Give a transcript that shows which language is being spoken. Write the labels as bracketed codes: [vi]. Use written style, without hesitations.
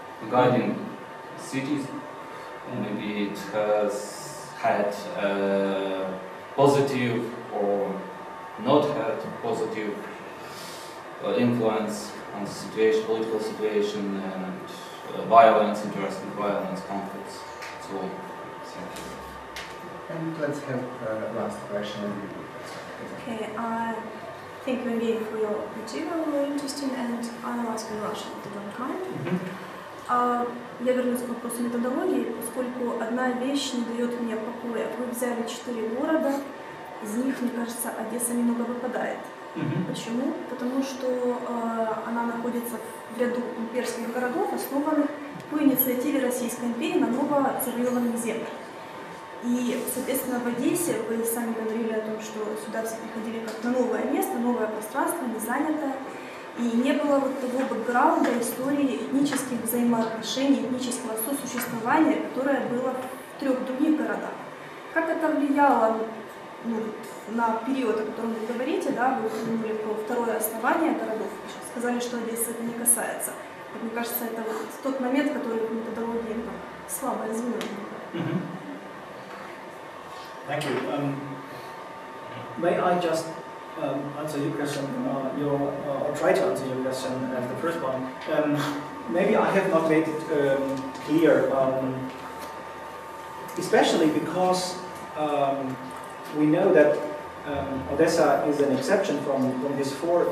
[en] guiding cities, maybe it has had a positive or not had positive influence on the situation, political situation, and violence, interesting violence, conflicts. So, thank you. And let's have a last question. Okay, I think maybe for your material, very interesting, and I'll ask in Russian, if you don't mind. [ru] Я вернусь к вопросу методологии, поскольку одна вещь не дает мне покоя. Вы взяли четыре города, из них, мне кажется, Одесса немного выпадает. Mm-hmm. Почему? Потому что она находится в ряду имперских городов, основанных по инициативе Российской империи на новоотвоеванных землях. И, соответственно, в Одессе вы сами говорили о том, что сюда все приходили как на новое место, новое пространство, не занятое. И не было вот того бэкграунда истории этнических взаимоотношений, этнического сосуществования, которое было в трех других городах. как это влияло ну, на период, о котором вы говорите, да, вы упомянули про второе основание городов, сказали, что Одесса это не касается. Мне кажется, это вот тот момент, который в методологии ну, слабо изменил. Mm-hmm. [en] Thank you. May I just answer your question, or try to answer your question as the first one? Maybe I have not made it clear, especially because we know that Odessa is an exception from these four.